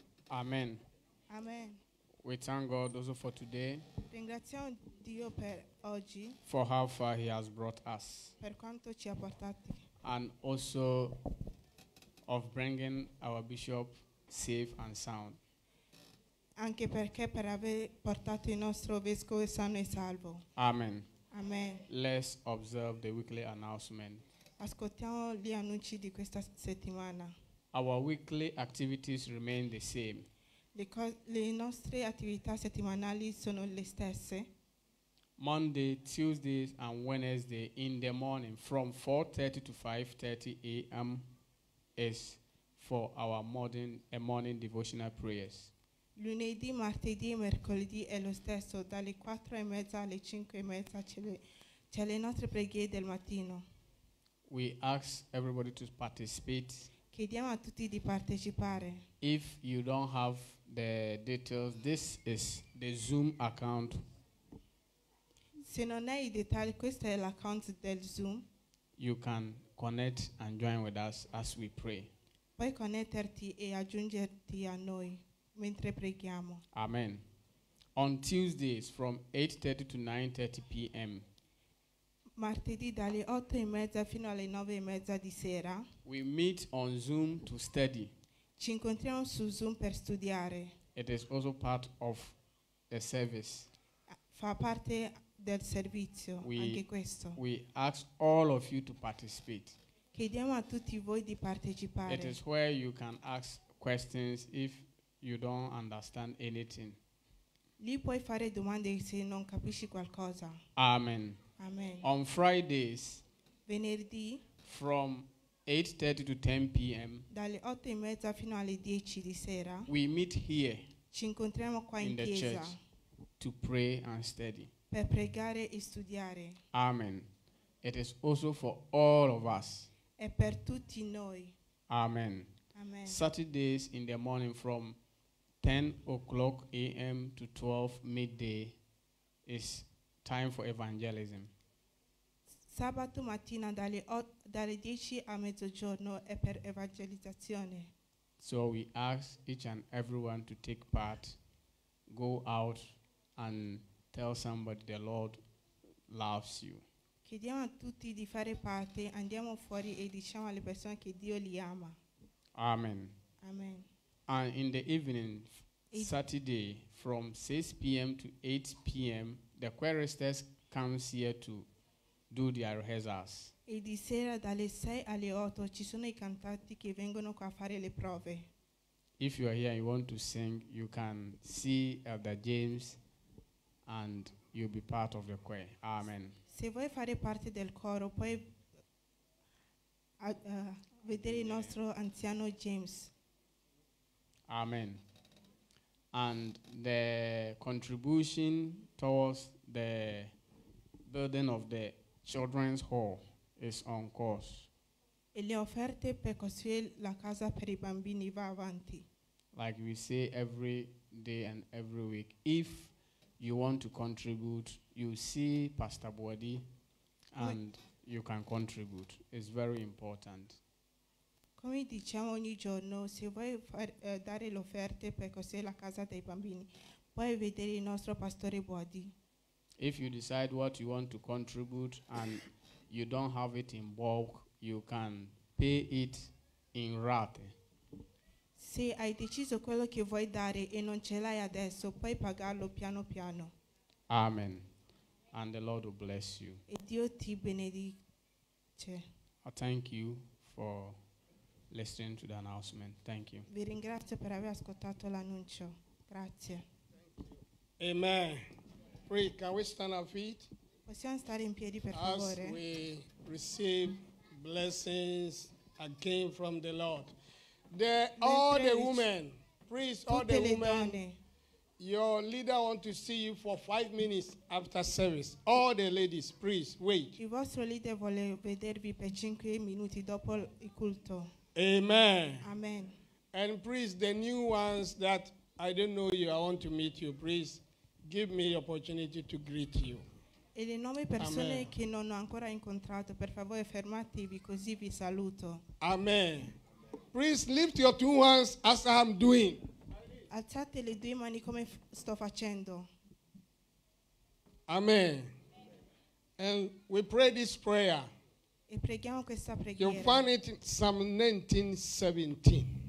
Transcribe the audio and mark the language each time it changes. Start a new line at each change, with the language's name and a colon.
English: Amen. Amen. We thank God also for today.
Italian: Ringraziamo Dio per oggi.
English: For how far he has brought us.
Italian: Per quanto ci ha portati.
English: And also of bringing our bishop safe and sound.
Italian: Anche perché per aver portato il nostro vescovo sano e salvo.
English: Amen. Amen. Let's observe the weekly announcement.
Italian: Ascoltiamo gli annunci di questa settimana.
English: Our weekly activities remain the same.
Italian: Le nostre attività settimanali sono le stesse.
English: Monday, Tuesdays and Wednesday in the morning from 4:30 to 5:30 a.m. is for our morning devotional prayers.
Italian: Lunedì, martedì e mercoledì è lo stesso, dalle 4:30 alle 5:30 c'è le nostre preghiere del mattino.
English: We ask everybody to participate.
Italian: Chiediamo a tutti di partecipare.
English: If you don't have the details, this is the Zoom account.
Italian: Se non hai i dettagli, questo è l'account del Zoom.
English: You can connect and join with us as we pray.
Italian: Puoi connetterti e aggiungerti a noi. Mentre preghiamo.
English: Amen. On Tuesdays from 8:30 to 9:30 p.m.
Italian: Martedì dalle 8:30 fino alle 9:30 di sera.
English: We meet on Zoom to study.
Italian: Ci incontriamo su Zoom per studiare.
English: It is also part of the service.
Italian: Fa parte del servizio anche questo.
English: We ask all of you to participate.
Italian: Chiediamo a tutti voi di partecipare.
English: It is where you can ask questions if you don't understand anything.
Italian: Lì puoi fare domande se non capisci qualcosa.
English: Amen. Amen. On Fridays,
Italian: venerdì,
English: from 8:30 to 10 p.m.
Italian: dalle 8:30 fino alle 10 di sera.
English: We meet here.
Italian: Ci incontriamo qua in
English: the
Italian: chiesa.
English: Church to pray and study.
Italian: Per pregare e studiare.
English: Amen. It is also for all of us.
Italian: È per tutti noi.
English: Amen. Saturdays in the morning from 10 o'clock a.m. to 12 midday is time for evangelism.
Italian: Sabato mattina dalle 10 a mezzogiorno è per evangelizzazione.
English: So we ask each and everyone to take part, go out and tell somebody the Lord loves you.
Italian: Chiediamo a tutti di fare parte, andiamo fuori e diciamo alle persone che Dio li ama.
English: Amen. Amen. And in the evening, Saturday, from 6 p.m. to 8 p.m., the choristers comes here to do their rehearsals.
Italian: E di sera dalle 6 alle 8 ci sono i cantanti che vengono qua a fare le prove.
English: If you are here and you want to sing, you can see Elder James and you'll be part of the choir. Amen.
Italian: Se vuoi fare parte del coro, puoi vedere il nostro anziano James.
English: Amen. And the contribution towards the building of the children's hall is on course.
Italian: E le offerte per costruire la casa per i bambini va avanti.
English: Like we say every day and every week, if you want to contribute, you see Pastor Bwadi and you can contribute. It's very important.
Italian: Come diciamo ogni giorno, se vuoi dare l'offerta per costruire la casa dei bambini, puoi vedere il nostro pastore Bwadi.
English: If you decide what you want to contribute and you don't have it in bulk, you can pay it in rate.
Italian: Se hai deciso quello che vuoi dare e non ce l'hai adesso, puoi pagarlo piano piano.
English: Amen. And the Lord will bless you.
Italian: E Dio ti benedice.
English: I thank you for listening to the announcement. Thank you.
Italian: Vi ringrazio per aver ascoltato l'annuncio. Grazie.
English: Amen. Pray, can we stand our feet?
Italian: Possiamo stare in piedi per
English: as
Italian: favore?
English: We receive blessings again from the Lord. All the women,
Italian: donne.
English: Your leader wants to see you for 5 minutes after service. All the ladies, please wait.
Italian: Il vostro leader vuole vedervi per 5 minuti dopo il culto.
English: Amen. Amen. And please, the new ones that I don't know you, I want to meet you. Please give me the opportunity to greet you.
Italian: E le nuove persone Amen. Che non ho ancora incontrato, per favore fermatevi così vi saluto.
English: Amen. Please lift your two hands as I'm doing.
Italian: Alzate le due mani come sto facendo.
English: Amen. And we pray this prayer.
Italian: E preghiamo questa preghiera.
English: You'll find it in Psalm 19:17.